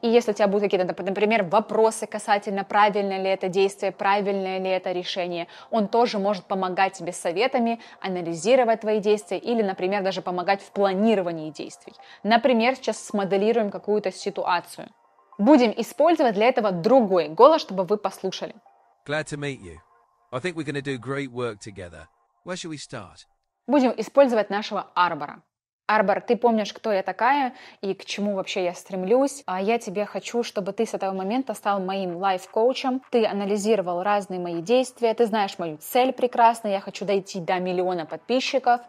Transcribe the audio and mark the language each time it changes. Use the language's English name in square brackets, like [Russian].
[Russian] И если у тебя будут какие-то, например, вопросы касательно правильно ли это действие, правильное ли это решение, он тоже может помогать тебе советами, анализировать твои действия или, например, даже помогать в планировании действий. Например, сейчас смоделируем какую-то ситуацию. Будем использовать для этого другой голос, чтобы вы послушали. [English] Glad to meet you. I think we're going to do great work together. Where should we start? [Russian] Будем использовать нашего Арбора. Арбор, ты помнишь, кто я такая и к чему вообще я стремлюсь? А я тебе хочу, чтобы ты с этого момента стал моим лайф-коучем. Ты анализировал разные мои действия, ты знаешь мою цель прекрасно, я хочу дойти до 1 000 000 подписчиков.